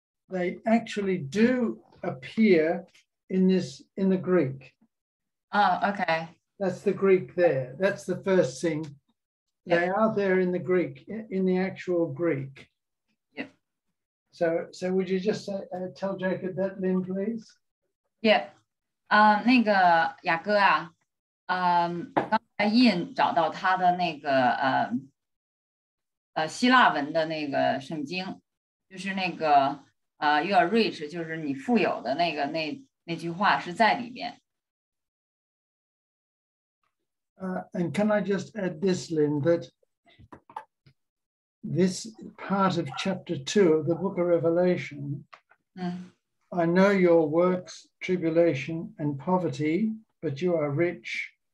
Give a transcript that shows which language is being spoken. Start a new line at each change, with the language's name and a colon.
English: they actually do appear in this, in the Greek. Oh, okay. That's the Greek there. That's the first thing. Yep. They are there in the Greek, in the actual Greek. Yep. So would you just say, tell Jacob that, Lynn, please? Yeah.
Chinese: 那个雅各啊，刚才印找到他的那个希腊文的那个圣经，就是那个
English: you are rich，
Chinese: 就是你富有的那个那句话是在里面。
English: And can I just add this, Lynn, that this part of chapter 2 of the book of Revelation, I know your works, tribulation, and poverty, but you are rich.